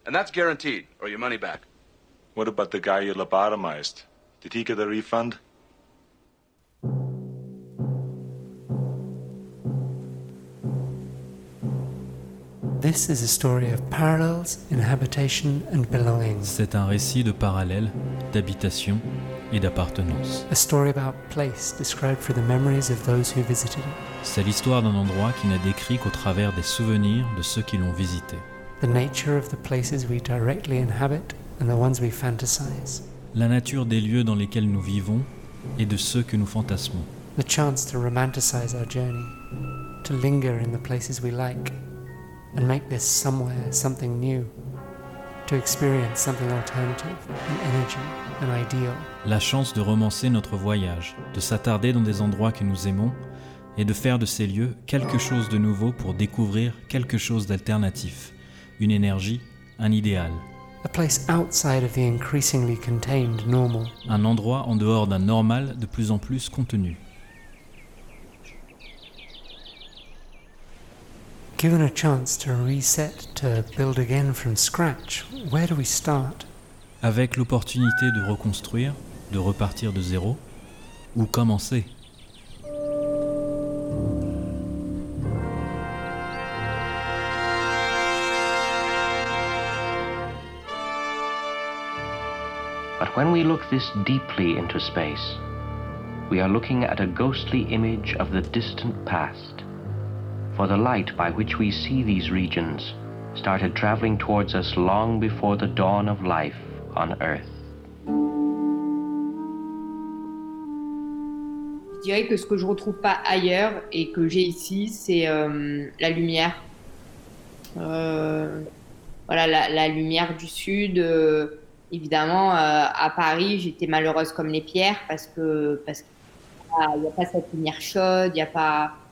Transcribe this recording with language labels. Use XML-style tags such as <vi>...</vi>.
<en>And that's guaranteed, or your money back. What about the guy you lobotomized? Did he get a refund? This is a story of parallels, inhabitation and belongings.</en> <fr>C'est un récit de parallèles, d'habitation et d'appartenance.</fr> <en>A story about place described through the memories of those who visited it.</en> <fr>C'est l'histoire d'un endroit qui n'est décrit qu'au travers des souvenirs de ceux qui l'ont visité.</fr> <en>The nature of the places we directly inhabit and the ones we fantasize.</en> <fr>La nature des lieux dans lesquels nous vivons et de ceux que nous fantasmons.</fr> <en>The chance to romanticize our journey, to linger in the places we like. And make this somewhere something new, to experience something alternative, an energy, an ideal.</en> <fr>La chance de romancer notre voyage, de s'attarder dans des endroits que nous aimons, et de faire de ces lieux quelque chose de nouveau pour découvrir quelque chose d'alternatif, une énergie, un idéal.</fr> <en>A place outside of the increasingly contained normal.</en> <fr>Un endroit en dehors d'un normal de plus en plus contenu.</fr> <en>Given a chance to reset, to build again from scratch, where do we start?</en> <fr>Avec l'opportunité de reconstruire, de repartir de zéro, où commencer?</fr> <en>But when we look this deeply into space, we are looking at a ghostly image of the distant past. For the light by which we see these regions started traveling towards us long before the dawn of life on Earth.</en> <fr>Je dirais que ce que je retrouve pas ailleurs et que j'ai ici, c'est la lumière. Voilà, la lumière du sud. Évidemment, à Paris, j'étais malheureuse comme les pierres parce qu'il n'y a pas cette lumière chaude, il n'y a pas.</fr>